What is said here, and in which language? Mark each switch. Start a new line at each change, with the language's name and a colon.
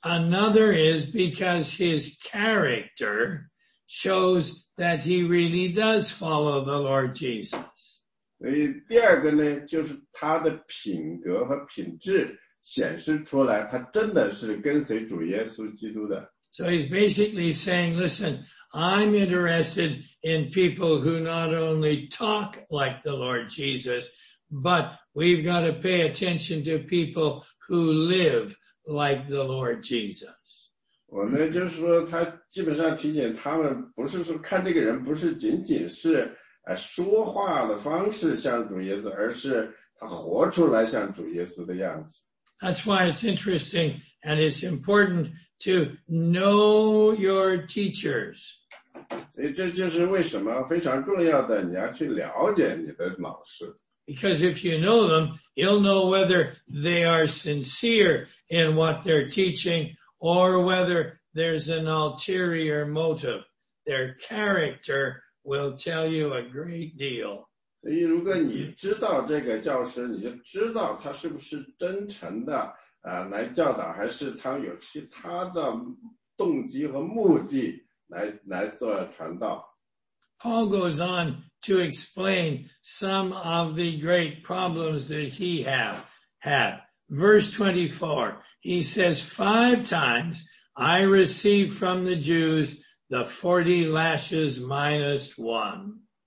English: Another is because his character shows that he really does follow the Lord Jesus.
Chinese: 所以第二个呢，就是他的品格和品质显示出来他真的是跟随主耶稣基督的。
English: So he's basically saying, listen,I'm interested in people who not only talk like the Lord Jesus, but we've got to pay attention to people who live like the Lord Jesus.
Chinese: 我呢，就是说他基本上提醒他们，不是说看这个人不是仅仅是说话的方式像主耶稣，而是他活出来像主耶稣的样子。
English: That's why it's interesting And it's important to know your teachers.
Chinese: 这就是为什么非常重要的，你要去了解你的老师。
English: Because if you know them, you'll know whether they are sincere in what they're teaching or whether there's an ulterior motive. Their character will tell you a great deal.
Chinese: 如果你知道这个教师，你就知道他是不是真诚的来教导，还是他有其他的动机和目的来做传道。
English: Paul goes on to explain some of the great problems that he had. Verse 24, he says, 5 times I received from the Jews the 40 lashes minus one.